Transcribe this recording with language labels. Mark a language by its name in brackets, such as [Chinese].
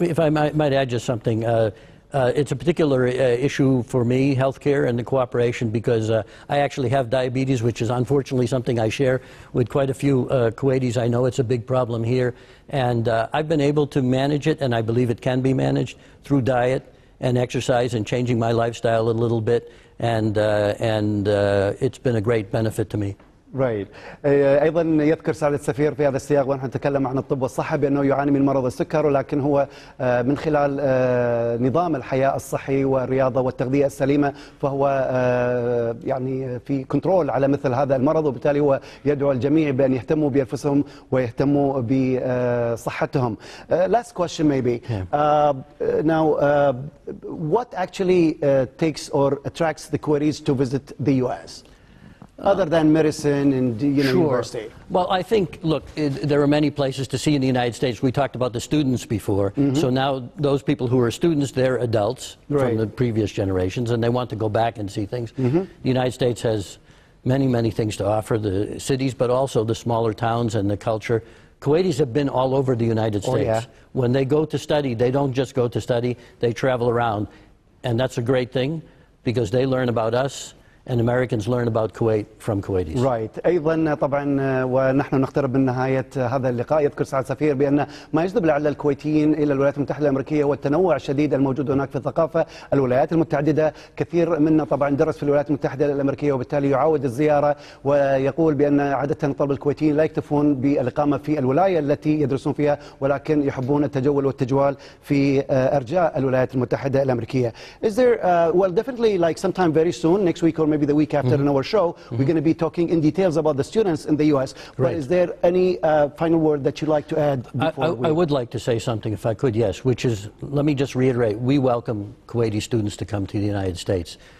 [English] If I might add just something. It's a particular issue for me, healthcare and the cooperation, because I actually have diabetes, which is unfortunately something I share with quite a few Kuwaitis. I know it's a big problem here, and I've been able to manage it, and I believe it can be managed through diet and exercise and changing my lifestyle a little bit, and it's been a great benefit to me. Right. [Arabic] أيضا يذكر سعادة السفير في هذا السياق ونحن نتكلم عن الطب والصحة بأنه يعاني من مرض السكر، ولكن هو من خلال نظام الحياة الصحي والرياضة والتغذية السليمة فهو يعني في كنترول على مثل هذا المرض، وبالتالي هو يدعو الجميع بأن يهتموا بأنفسهم ويهتموا بصحتهم. [English] Last question maybe. Now, what actually takes or attracts the Kuwaitis to visit the U.S.? Other than medicine and you know, sure. university. Well, I think, look, there are many places to see in the United States. We talked about the students before. Mm-hmm. So now those people who are students, they're adults right. from the previous generations, and they want to go back and see things. Mm-hmm. The United States has many, many things to offer, the cities, but also the smaller towns and the culture. Kuwaitis have been all over the United States. Oh, yeah. When they go to study, they don't just go to study. They travel around. And that's a great thing because they learn about us. And Americans learn about Kuwait from Kuwaitis. Right. [Arabic] أيضا طبعا ونحن نقترب من نهاية هذا اللقاء يذكر سعادة السفير بأن ما يجذب لعل الكويتيين إلى الولايات المتحدة الأمريكية هو التنوع الشديد الموجود هناك في الثقافة، الولايات المتعددة. كثير منا طبعا درس في الولايات المتحدة الأمريكية وبالتالي يعاود الزيارة، ويقول بأن عادة طلب الكويتيين لا يكتفون بالإقامة في الولاية التي يدرسون فيها ولكن يحبون التجول والتجوال في أرجاء الولايات المتحدة الأمريكية. [English] Is there well definitely like sometime very soon next week or maybe the week after mm-hmm. in our show, mm-hmm. we're going to be talking in details about the students in the U.S. Right. But is there any final word that you'd like to add before I would like to say something, if I could, yes, which is, let me just reiterate, we welcome Kuwaiti students to come to the United States.